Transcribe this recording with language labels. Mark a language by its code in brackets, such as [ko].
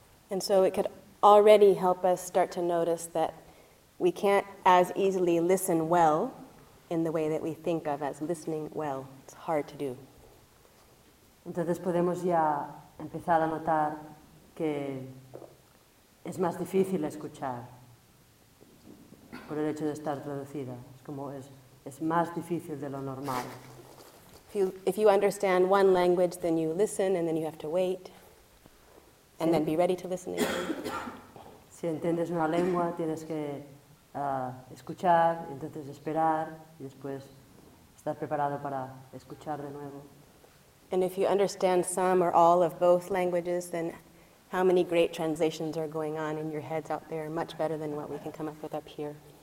[en] And so it could already help us start to notice that we can't as easily listen well in the way that we think of as listening well. It's hard to do. [es] Entonces podemos ya empezar a notar que es más difícil escuchar por el hecho de estar traducida. Es como es más difícil de lo normal. [en] If you understand one language, then you listen, and then you have to wait, and then be ready to listen again. [es] Si entiendes una lengua, tienes que escuchar, entonces esperar, y después estar preparado para escuchar de nuevo. [en] And if you understand some or all of both languages, then how many great translations are going on in your heads out there, much better than what we can come up with up here.